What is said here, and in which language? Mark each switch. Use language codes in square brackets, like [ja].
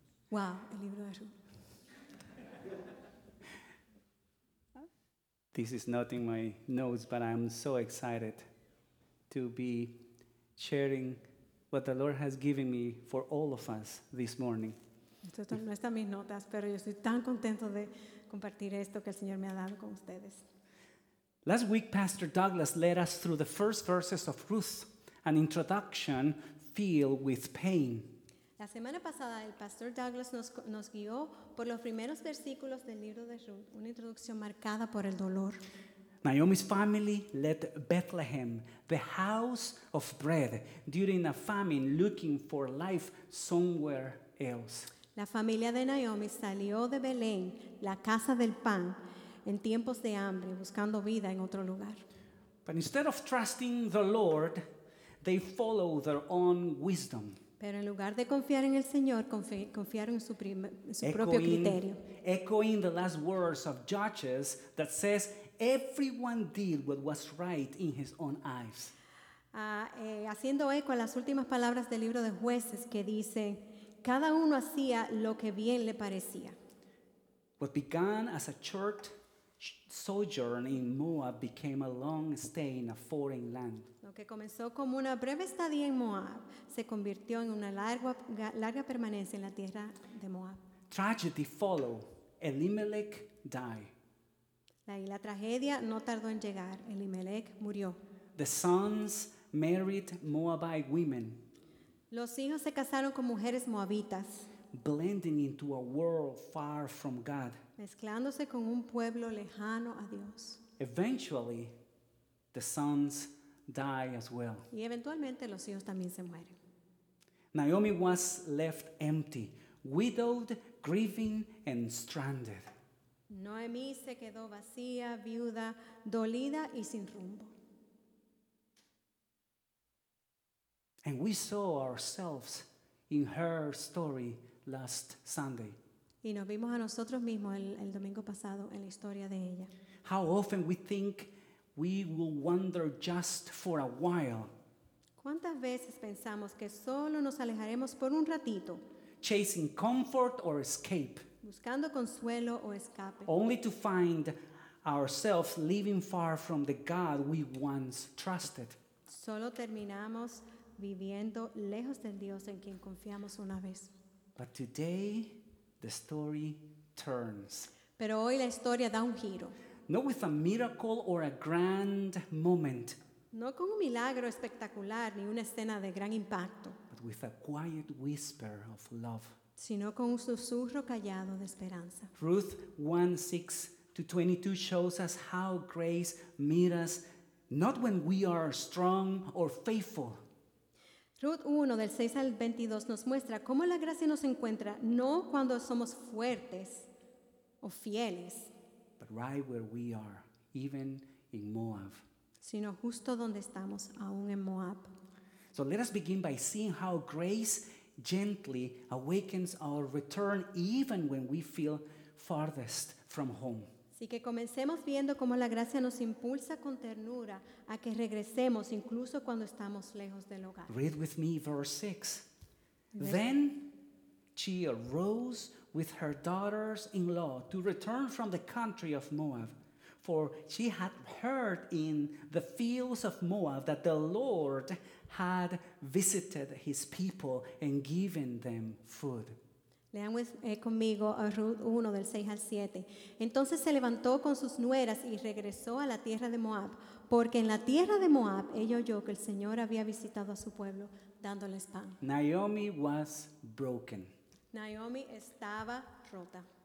[es] Wow. El libro de Ruth. [en] This is not in my notes, but I'm so excited to be sharing what the Lord has given me for all of us this morning. [es] Esto no está en mis notas, pero yo estoy tan contento de compartir esto que el Señor me ha dado con ustedes. [en] Last week, Pastor Douglas led us through the first verses of Ruth, an introduction filled with pain. [es] La semana pasada, el Pastor Douglas nos guió por los primeros versículos del libro de Ruth, una introducción marcada por el dolor. [en] Naomi's family left Bethlehem, the house of bread, during a famine, looking for life somewhere else. [es] La familia de Naomi salió de Belén, la casa del pan, en tiempos de hambre, buscando vida en otro lugar. [en] But instead of trusting the Lord, they follow their own wisdom. [es] Pero en lugar de confiar en el Señor, confiaron en su propio criterio. [en] Echoing the last words of Judges that says, everyone did what was right in his own eyes. [es] Haciendo eco a las últimas palabras del libro de Jueces que dice, cada uno hacía lo que bien le parecía. [en] What began as a short sojourn in Moab became a long stay in a foreign land. [es] Lo que comenzó como una breve estadía en Moab se convirtió en una larga permanencia en la tierra de Moab. [en] Tragedy followed. Elimelech died. [es] Y la tragedia no tardó en llegar. Elimelech murió. [en] The sons married Moabite women. [es] Los hijos se casaron con mujeres moabitas. [en] Blending into a world far from God. [es] Mezclándose con un pueblo lejano a Dios. [en] Eventually, the sons die as well. [es] Y eventualmente los hijos también se mueren. [en] Naomi was left empty, widowed, grieving, and stranded. [es] Noemí se quedó vacía, viuda, dolida y sin rumbo. [en] And we saw ourselves in her story last Sunday. [es] Y nos vimos a nosotros mismos el domingo pasado en la historia de ella. [en] How often we think we will wander just for a while. [es] ¿Cuántas veces pensamos que solo nos alejaremos por un ratito? [en] Chasing comfort or escape. [es] Buscando consuelo o escape. [en] Only to find ourselves living far from the God we once trusted. [es] Solo terminamos viviendo lejos del Dios en quien confiamos una vez. [en] But today the story turns. [es] Pero hoy la historia da un giro. [en] Not with a miracle or a grand moment. [es] No con un milagro espectacular ni una escena de gran impacto. [en] But with a quiet whisper of love. [es] Sino con un susurro callado de esperanza. [en] Ruth 1:6-22 shows us how grace meets us not when we are strong or faithful. [es] Ruth 1 del 6 al 22 nos muestra cómo la gracia nos encuentra no cuando somos fuertes o fieles. [en] But right where we are, even in Moab. [es] Sino justo donde estamos, aún en Moab. [en] So let us begin by seeing how grace gently awakens our return even when we feel farthest from home. [es] Así que comencemos viendo cómo la gracia nos impulsa con ternura a que regresemos incluso cuando estamos lejos del hogar. [en] Read with me verse 6. Then she arose with her daughters-in-law to return from the country of Moab. For she had heard in the fields of Moab that the Lord had visited his people and given them food. [es] Lean conmigo a Ruth 1 del 6 al 7. Entonces se levantó con sus nueras y regresó a la tierra de Moab, porque en la tierra de Moab ella oyó que el Señor había visitado a su pueblo dándoles pan. [en] Naomi was broken. [es] Naomi estaba rota.